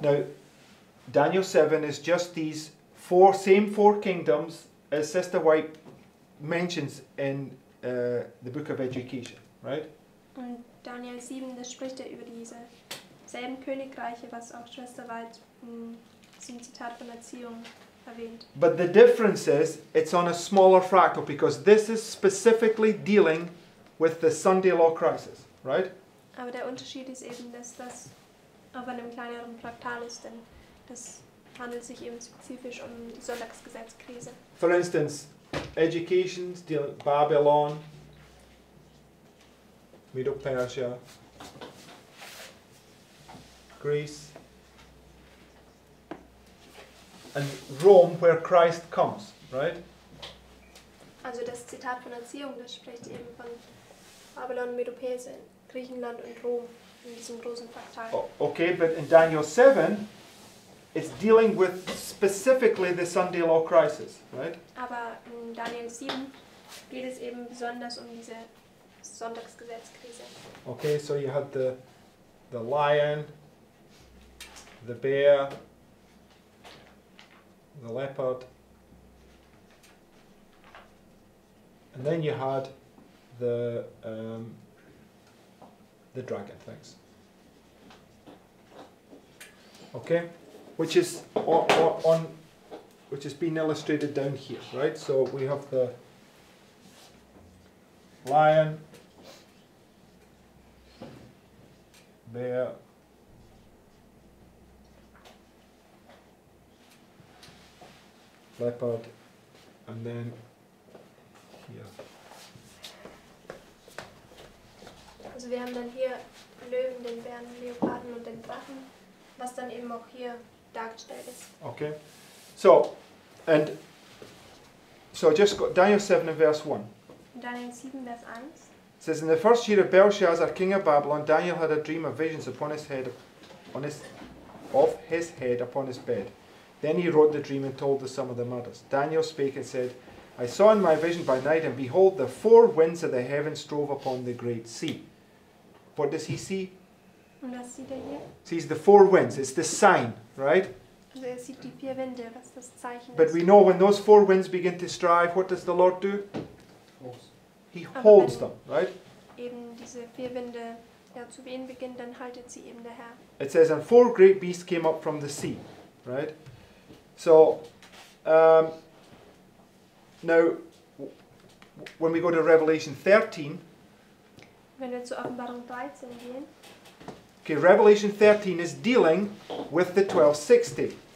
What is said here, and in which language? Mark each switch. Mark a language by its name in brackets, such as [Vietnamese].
[English] Now, Daniel 7 is just these same four kingdoms as Sister White mentions in the Book of Education, right? [German] Und Daniel 7, das spricht ja über diese selben Königreiche, was auch Schwester White zum Zitat von Erziehung erwähnt. [English] But the difference is, it's on a smaller fractal, because this is specifically dealing with the Sunday law crisis, right? [German] Aber der Unterschied ist eben, dass das auf einem kleineren Fraktal ist, denn das handelt sich eben spezifisch um die Sonntagsgesetzkrise. [English] For instance, Education, Babylon, Medo-Persia, Greece, and Rome, where Christ comes, right? [German] Also das Zitat von Erziehung, das spricht eben von Babylon, Medo-Persia, Griechenland und Rom in diesem großen Fraktal. [English] Oh, okay, but in Daniel 7, it's dealing with specifically the Sunday law crisis, right? [German] Aber in Daniel 7 geht es eben besonders um diese Sonntagsgesetzkrise. [English] Okay, so you had the lion, the bear, the leopard, and then you had the dragon things. Okay? Which is on, which is being illustrated down here, right? So we have the lion, where leopard, and then here. [German] Also wir haben dann hier Löwen, den Bären, Leoparden und den Drachen, was dann eben auch hier dargestellt ist. [English] Okay. So, and so just go, Daniel 7 and verse 1. Daniel 7, verse 1. It says, in the first year of Belshazzar, king of Babylon, Daniel had a dream of visions upon his head, upon his bed. Then he wrote the dream and told the sum of the matters. Daniel spake and said, I saw in my vision by night, and behold, the four winds of the heavens drove upon the great sea. What does he see? [German] Und was sieht hier? [English] Sees the four winds. It's the sign, right? [German] Also sieht die vier Winde, was das Zeichen [English] but [German] ist. [English] We know when those four winds begin to strive, what does the Lord do? He holds them, right? [German] Eben diese vier Winde, ja, zu wehen beginnen, dann haltet sie eben der Herr. [English] It says, and four great beasts came up from the sea, right? So, now, when we go to Revelation 13. [German] Wenn wir zu Offenbarung 13 gehen. [English] Okay, Revelation 13 is dealing with the 1260.